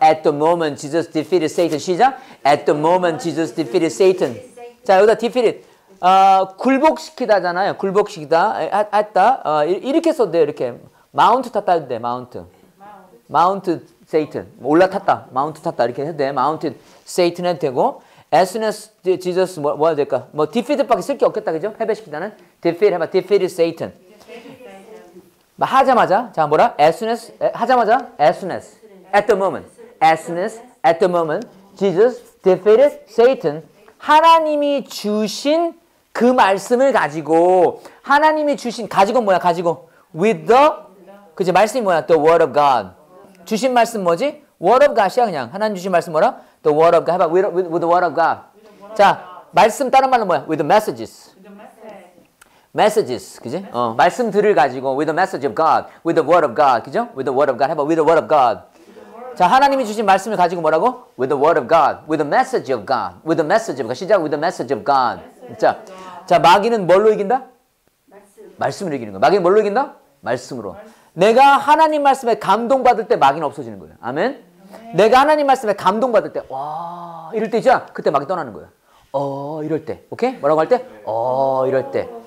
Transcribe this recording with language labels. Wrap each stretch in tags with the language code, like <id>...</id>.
<en>At the moment Jesus defeated Satan.</en> <ko>시작.</ko> <en>At the moment Jesus defeated Satan.</en> <ko>자, 여기다</ko> <en>defeated.</en> <ko>굴복시키다잖아요. 굴복시키다 했다. 이렇게 써도 돼요. 이렇게 마운트 탔다 해도 돼. 마운트. 마운트 세이튼. 올라탔다. 마운트 탔다 이렇게 해도 돼. 마운트 세이튼 해도 되고.</ko> <en>As soon as Jesus,</en> <ko>뭐 해야 될까? 뭐 defeat밖에 쓸 게 없겠다, 그죠? 패배시키다는 defeat 해봐.</ko> <en>defeat is Satan.</en> <ko>하자마자, 자 뭐라?</ko> <en>As soon as</en> <ko>하자마자,</ko> <en>as soon as at the moment, as soon as at the moment, Jesus defeated Satan.</en> <ko>하나님이 주신 그 말씀을 가지고, 하나님이 주신 가지고 뭐야? 가지고</ko> <en>with the</en> <ko>그지 말씀이 뭐야?</ko> <en>The word of God.</en> <ko>주신 말씀 뭐지?</ko> <en>Word of God이야</en> <ko>그냥. 하나님 주신 말씀 뭐라?</ko> <en>The word of God.</en> <ko>해봐.</ko> <en>With the word of God.</en> <ko>자, 말씀 다른 말로 뭐야?</ko> <en>With the messages. Messages,</en> <ko>그지? 어, 말씀들을 가지고</ko> <en>with the message of God, with the word of God,</en> <ko>그죠?</ko> <en>With the word of God,</en> <ko>해봐.</ko> <en>With the word of God.</en> <ko>자, 하나님이 주신 말씀을 가지고 뭐라고?</ko> <en>With the word of God, with the message of God, with the message of God.</en> <ko>시작.</ko> <en>With the message of God.</en> <ko>자, 자, 마귀는 뭘로 이긴다? 말씀으로 이기는 거야. 마귀는 뭘로 이긴다? 말씀으로. 내가 하나님 말씀에 감동 받을 때 마귀는 없어지는 거예요. 아멘. 내가 하나님 말씀에 감동 받을 때, 와, 이럴 때 있잖아. 그때 마귀 떠나는 거예요. 어, 이럴 때. 오케이? 뭐라고 할 때? 어, 이럴 때.</ko>